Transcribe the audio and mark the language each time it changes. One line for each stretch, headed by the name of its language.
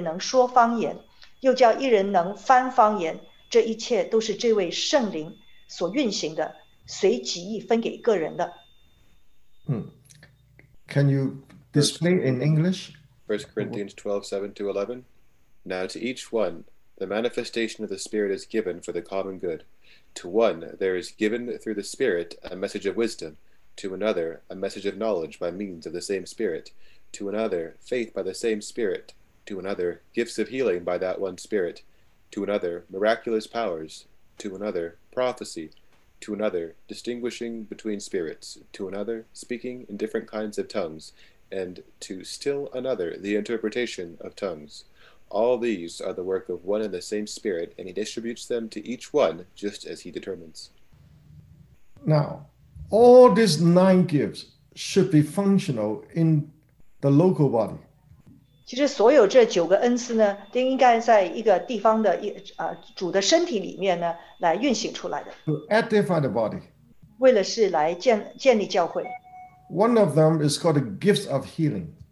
Chinese: 圣灵显在个人身上，是叫人得益处。这人蒙圣灵赐他智慧的言语，那人也蒙这位圣灵赐他知识的言语，又有一人蒙这位圣灵赐他信心，还有一人蒙这位圣灵赐他医病的恩赐，又叫一人能行异能，又叫一人能做先知，又叫一人能辨别诸灵，又叫一人能说方言，又叫一人能翻方言。
English: Can you display in English? 1 Corinthians 12:7-11. Now to each one, the manifestation of the Spirit is given for the common good. To one, there is given through the Spirit a message of wisdom. To another, a message of knowledge by means of the same Spirit. To another, faith by the same Spirit. To another, gifts of healing by that one Spirit. To another, miraculous powers, to another, prophecy, to another, distinguishing between spirits, to another, speaking in different kinds of tongues, and to still another, the interpretation of tongues. All these are the work of one and the same Spirit, and He distributes them to each one just as He determines. Now, all these 9 gifts should be functional in the local body.
Chinese: 其实所有这九个恩赐呢，都应该在一个地方的主的身体里面呢来运行出来的。To
English: edify the body.
Chinese: 为了是来建立教会。One
English: of them is called the gifts of healing.